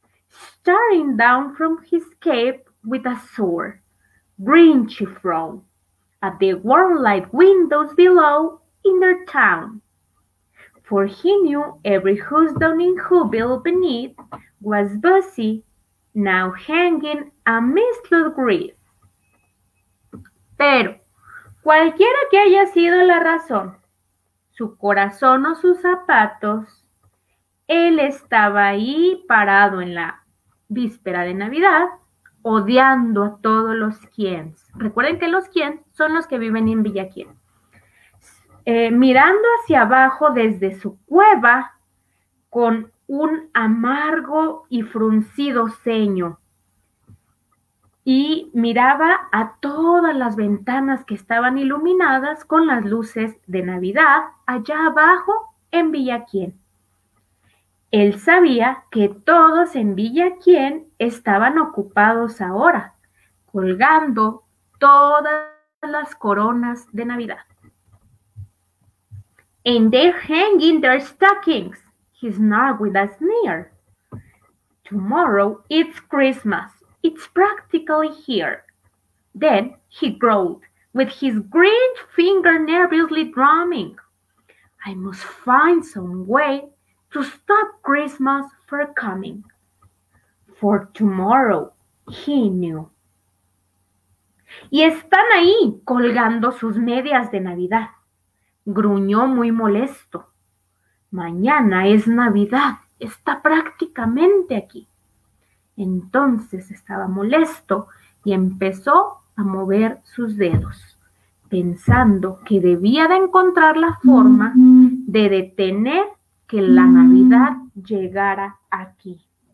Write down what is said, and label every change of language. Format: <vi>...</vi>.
<en>Staring down from his cape with a sour, grinchy frown at the warm light windows below in their town. For he knew every Who's down in Whoville beneath was busy, now hanging a mistletoe wreath.</en> <es>Pero, cualquiera que haya sido la razón, su corazón o sus zapatos, él estaba ahí parado en la víspera de Navidad, odiando a todos los quiens. Recuerden que los quiens son los que viven en Villa Quien. Mirando hacia abajo desde su cueva con un amargo y fruncido ceño. Y miraba a todas las ventanas que estaban iluminadas con las luces de Navidad allá abajo en Villa Quien. Él sabía que todos en Villa Quien estaban ocupados ahora, colgando todas las coronas de Navidad.</es> <en>And they're hanging their stockings, he snarled with a sneer. Tomorrow it's Christmas. It's practically here. Then he growled, with his green finger nervously drumming. I must find some way to stop Christmas from coming. For tomorrow, he knew.</en> <es>Y están ahí colgando sus medias de Navidad. Gruñó muy molesto. Mañana es Navidad. Está prácticamente aquí. Entonces estaba molesto y empezó a mover sus dedos, pensando que debía de encontrar la forma de detener que la Navidad llegara aquí.</es>